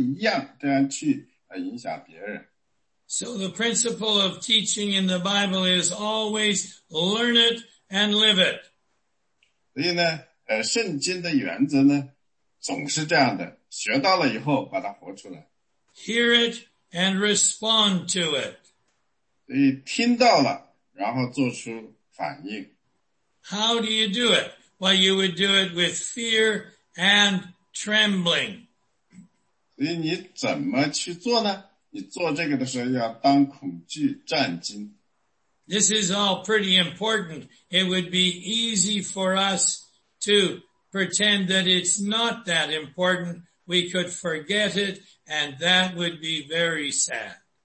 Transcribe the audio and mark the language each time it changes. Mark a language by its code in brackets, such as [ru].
[zh] 光光是要这么去想，要这么去行，这么去做，这么活出来。你们都要像这样，在你们的人生中，你们的想法要跟主耶稣基督一样，这样去影响别人。 [en] So the principle of teaching in the Bible is always learn it and live it. [zh] 所以呢，圣经的原则呢，总是这样的，学到了以后把它活出来。 [en] Hear it and respond to it. [zh] 所以听到了，然后做出反应。 [en] How do you do it? Well, you would do it with fear and trembling. [zh] 所以你怎么去做呢？你做这个的时候要当恐惧战惊。 [en] This is all pretty important. It would be easy for us to pretend that it's not that important. We could forget it, and that would be very sad.